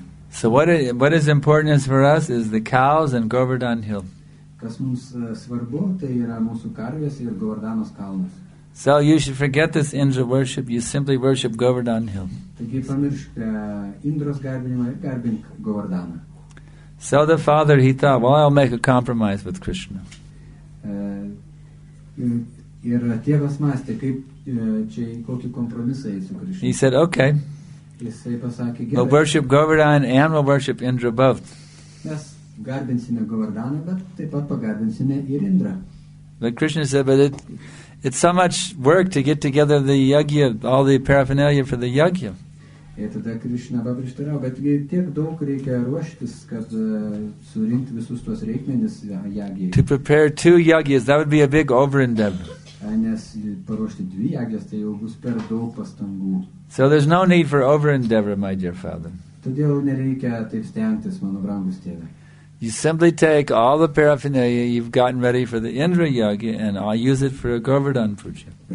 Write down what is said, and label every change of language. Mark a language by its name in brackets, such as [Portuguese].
[English] So what is important is for us is the cows and Govardhan Hill. [Lithuanian] Kas mums svarbu, tai yra mūsų karvės ir Govardhanos kalnas. [English] So you should forget this Indra worship, you simply worship Govardhan Hill. [Lithuanian] Taigi pamiršk Indros garbinimą ir garbink Govardhaną. [English] So the father, he thought, well, I'll make a compromise with Krishna. [Lithuanian] Ir tėvas mąstė, kaip čia kokį kompromisą su Krishna. [English] He said, okay. [Lithuanian] Jisai pasakė, gerai. [English] We'll worship Govardhan and we'll worship Indra both. [Lithuanian] Yes. Garbinsime Govardhaną, bet taip pat pagarbinsime ir Indrą. [English] But Krishna said, but it's so much work to get together the yagya, all the paraphernalia for the yagya. [Lithuanian] Ir tada Krishna paprieštarau, bet tiek daug reikia ruoštis, kad surinkti visus tuos reikmenis yagyai. [English] To prepare two yagyas, that would be a big overendeavor. [Lithuanian] Nes paruošti dvi yagyas, tai jau bus per daug pastangų. [English] So there's no need for overendeavor, my dear father. [Lithuanian] Todėl nereikia taip stengtis, mano brangus tėve. [English] You simply take all the paraphernalia you've gotten ready for the Indra Yagya and I'll use it for a Govardhan Puja.